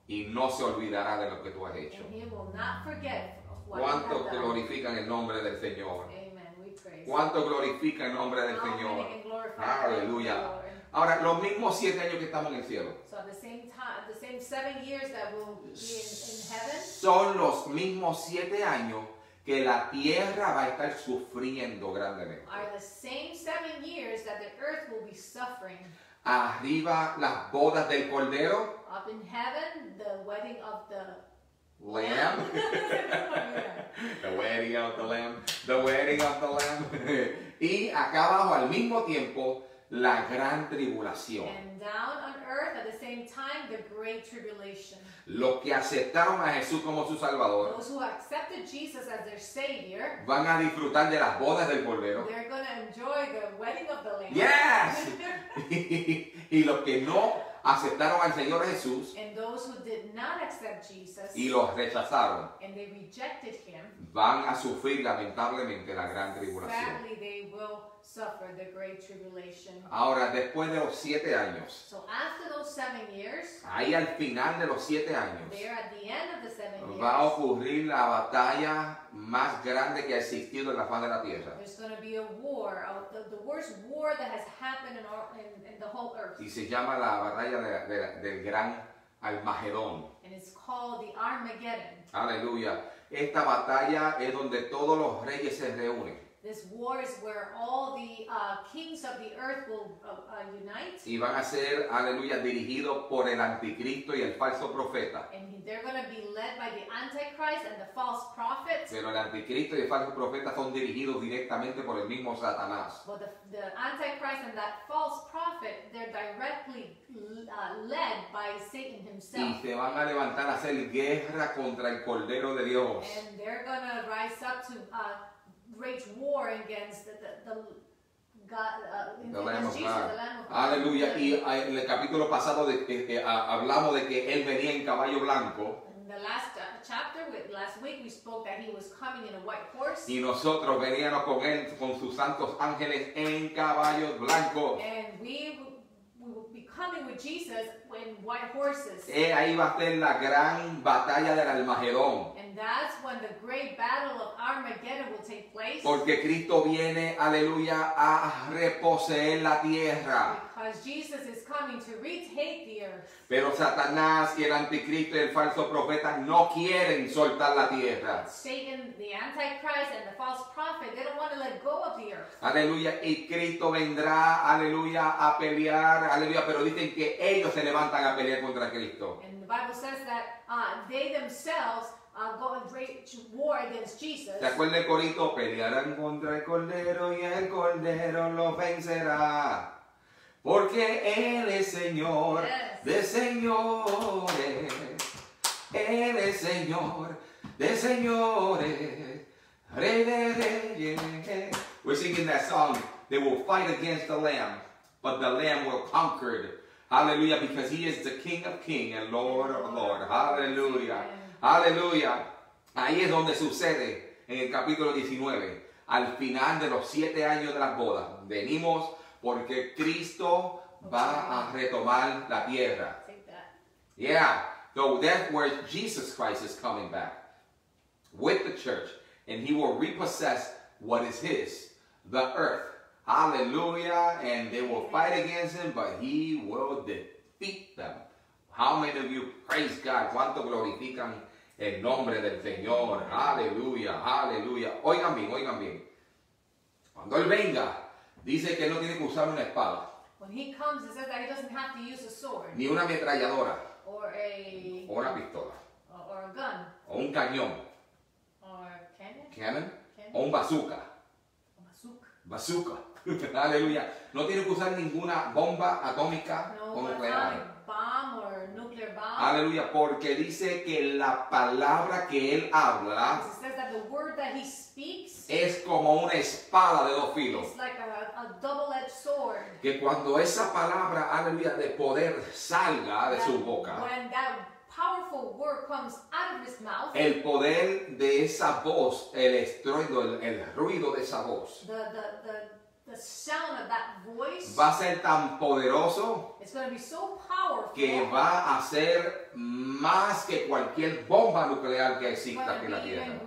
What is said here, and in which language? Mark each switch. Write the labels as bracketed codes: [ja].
[es] Y no se olvidará de lo que tú has hecho. [en] And he will not forget of what [es] ¿cuánto [en] you have [es] glorifican [en] done? [es] El nombre del Señor? [en] Amen. We praise. [es] ¿Cuánto glorifican el nombre del Señor? Aleluya. Ahora, los mismos 7 años que estamos en el cielo. [en] So the same time, the same 7 years that we'll be in heaven. [es] Son los mismos 7 años que la tierra va a estar sufriendo grandemente. [en] Are the same 7 years that the earth will be suffering. [es] Arriba, las bodas del Cordero. [en] Up in heaven, the wedding of the Lamb. Lamb. The wedding of the Lamb. The wedding of the Lamb. [es] Y acá abajo, al mismo tiempo, la gran tribulación. [en] And down on earth at the same time, the great tribulation. [es] Los que aceptaron a Jesús como su Salvador. [en] Those who accepted Jesus as their Savior. [es] Van a disfrutar de las bodas del Cordero. [en] They're going to enjoy the wedding of the Lamb. Yes! [es] Y los que no aceptaron al Señor Jesús. [en] And those who did not accept Jesus. [es] Y los rechazaron. [en] And they rejected him. [es] Van a sufrir lamentablemente la gran tribulación. [en] Sadly, they will suffer the great tribulation. [es] Ahora, después de los siete años. [en] So after those 7 years. [es] Ahí al final de los siete años. [en] There at the end of the 7 years. [es] Va a ocurrir la batalla más grande que ha existido en la faz de la tierra. [en] There's going to be a war, the worst war that has happened in the whole earth. [es] Y se llama la batalla del gran Armagedón. [en] And it's called the Armageddon. [es] Aleluya. Esta batalla es donde todos los reyes se reúnen. [en] This war is where all the kings of the earth will unite. [es] Y van a ser, aleluya, dirigidos por el anticristo y el falso profeta. [en] And they're going to be led by the antichrist and the false prophet. [es] Pero el anticristo y el falso profeta son dirigidos directamente por el mismo Satanás. [en] But the antichrist and that false prophet, they're directly led by Satan himself. [es] Y se van a levantar a hacer guerra contra el Cordero de Dios. [en] And they're going to rise up to rage war against the God, the Lamb of God. Aleluya. [es] Y en el capítulo pasado hablamos de que él venía en caballo blanco. [en] In the last chapter, last week, we spoke that he was coming in a white horse. [es] Y nosotros veníamos con él, con sus santos ángeles en caballo blanco. [en] And we will be coming with Jesus in white horses. [es] Ahí va a ser la gran batalla del Armagedón. [en] That's when the great battle of Armageddon will take place. [es] Porque Cristo viene, aleluya, a reposeer la tierra. [en] Because Jesus is coming to retake the earth. [es] Pero Satanás y el anticristo y el falso profeta no quieren soltar la tierra. [en] Satan, the antichrist and the false prophet, they don't want to let go of the earth. [es] Aleluya, y Cristo vendrá, aleluya, a pelear, aleluya, pero dicen que ellos se levantan a pelear contra Cristo. [en] And the Bible says that they themselves go and rage war against Jesus. [es] ¿Te acuerdas del corito? Pelearán contra el Cordero y el Cordero lo vencerá. Porque Él es Señor, [en] yes, [es] de señores. Él es Señor de señores. Rey de reyes. [en] We're singing that song. They will fight against the Lamb, but the Lamb will conquer. Hallelujah, because He is the King of kings and Lord of lords. Hallelujah. Aleluya. [es] Ahí es donde sucede en el capítulo 19, al final de los siete años de las bodas. Venimos porque Cristo va a retomar la tierra. Yeah. [en] So that's where Jesus Christ is coming back with the church, and He will repossess what is His, the earth. Aleluya. And they will fight against Him, but He will defeat them. How many of you praise God? [es] ¿Cuánto glorifican el nombre del Señor? Aleluya, aleluya. Oigan bien, oigan bien. Cuando Él venga, dice que no tiene que usar una espada. [en] When He comes, it says that He doesn't have to use a sword. [es] Ni una ametralladora. [en] Or a... [es] O una pistola. [en] Or a gun. [es] O un cañón. [en] Or a cannon. [es] Cannon. O un bazooka. [en] Bazooka. [es] Bazooka. Aleluya. No tiene que usar ninguna bomba atómica o nuclear. [en] Bomb. [es] Aleluya, porque dice que la palabra que Él habla, [en] it says that the word that He speaks, [es] es como una espada de dos filos. [en] It's like a double-edged sword. [es] Que cuando esa palabra, aleluya, de poder salga [en] that [es] de su boca, [en] when that powerful word comes out of His mouth, [es] el poder de esa voz, el estruendo, el ruido de esa voz, [en] the sound of that voice, [es] va a ser tan poderoso, [en] it's going to be so powerful, [es] que va a ser más que cualquier bomba nuclear que exista aquí en la Tierra.